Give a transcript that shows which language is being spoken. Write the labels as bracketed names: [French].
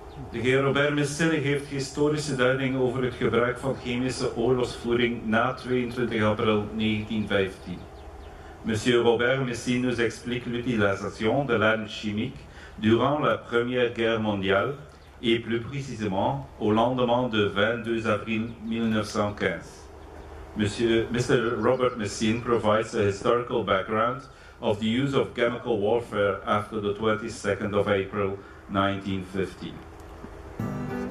[Dutch] De heer Robert-Mestelle heeft historische duiding over het gebruik van chemische oorlogsvoering na 22 april 1915. [French] Monsieur Robert-Mestelle nous explique l'utilisation de l'arme chimique durant la Première Guerre mondiale et plus précisément au lendemain du 22 avril 1915. [English] Mr. Robert-Mestelle provides a historical background of the use of chemical warfare after the 22nd of April 1915.